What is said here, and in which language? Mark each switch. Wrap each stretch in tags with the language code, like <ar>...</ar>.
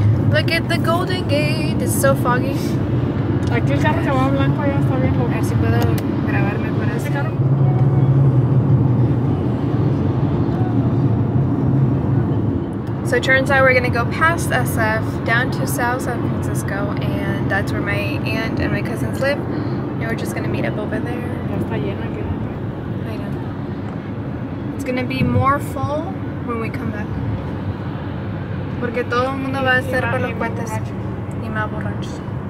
<en>Look at the Golden Gate, it's so foggy.</en> <es>Aquí el carro que va blanco ya está bien loco. A ver si puedo grabarme por ese carro.</es> <en>So it turns out we're gonna go past SF down to South San Francisco, and that's where my aunt and my cousins live. And we're just gonna meet up over there. It's gonna be more full when we come back.</en> <es>Porque todo el mundo va a ser por los puentes y más borrachos.</es>